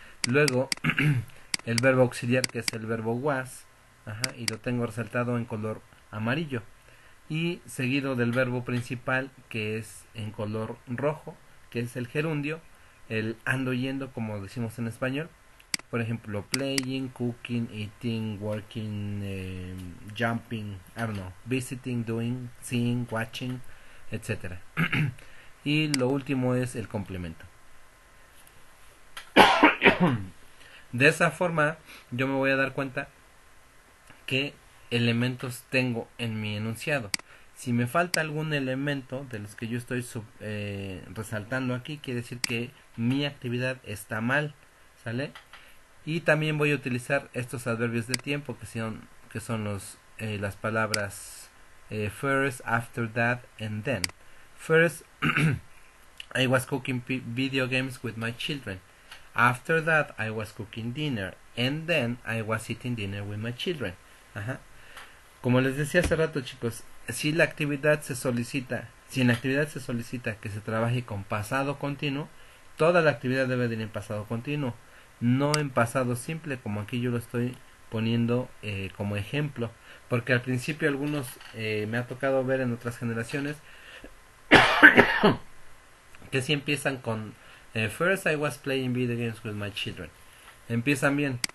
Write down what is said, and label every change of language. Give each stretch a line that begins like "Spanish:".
Spanish: Luego, el verbo auxiliar, que es el verbo was, y lo tengo resaltado en color amarillo. Y seguido del verbo principal, que es en color rojo, que es el gerundio, el ando yendo, como decimos en español.
English: Por ejemplo, playing, cooking, eating, working, jumping, I don't know, visiting, doing, seeing, watching, etc.
Spanish: Y lo último es el complemento. De esa forma, yo me voy a dar cuenta qué elementos tengo en mi enunciado. Si me falta algún elemento de los que yo estoy resaltando aquí, quiere decir que mi actividad está mal, ¿sale? Y también voy a utilizar estos adverbios de tiempo que son las palabras first, after that, and then.
English: First, I was cooking video games with my children. After that, I was cooking dinner. And then, I was eating dinner with my children.
Spanish: Como les decía hace rato, chicos, si la actividad se solicita, si en la actividad se solicita que se trabaje con pasado continuo, toda la actividad debe de ir en pasado continuo, no en pasado simple, como aquí yo lo estoy poniendo como ejemplo, porque al principio algunos me ha tocado ver en otras generaciones que si empiezan con
English: first I was playing video games with my children,
Spanish: empiezan bien.